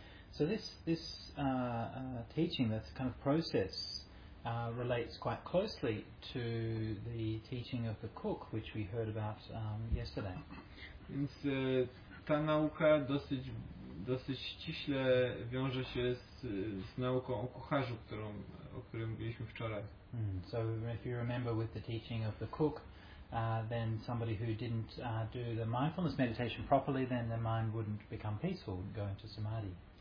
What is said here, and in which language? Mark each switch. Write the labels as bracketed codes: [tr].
[en] So this teaching, this kind of process, relates quite closely to the teaching of the cook, which we heard about yesterday. [pl] Więc ta nauka dosyć ściśle wiąże się z nauką o kucharzu, o której mówiliśmy wczoraj. [en] So if you remember with the teaching of the cook, then somebody who didn't do the mindfulness meditation properly, then their mind wouldn't become peaceful, wouldn't go into samadhi.